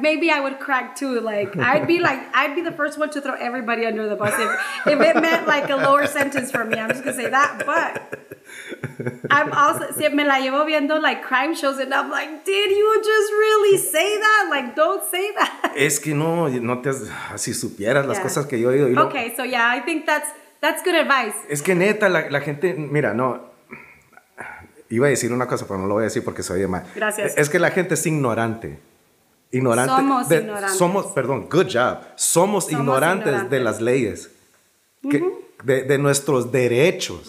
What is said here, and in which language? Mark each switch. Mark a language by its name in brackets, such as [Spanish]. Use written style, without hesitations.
[English] Maybe I would crack too. Like, I'd be the first one to throw everybody under the bus if it meant like a lower sentence for me. I'm just gonna say that. But I'm also, [Spanish] si me la llevo viendo [English] like crime shows and I'm like, did you just really say that? Like, don't say that. [Spanish] Es que no te has, si supieras las cosas que yo he oído. [English] Okay, so yeah, I think that's good advice. [Spanish] Es que neta, la gente, mira, no, iba a decir una cosa, pero no lo voy a decir porque soy de mal. Gracias. Es que la gente es ignorante. Ignorante. Somos ignorantes. Somos ignorantes de las leyes, que, de nuestros derechos.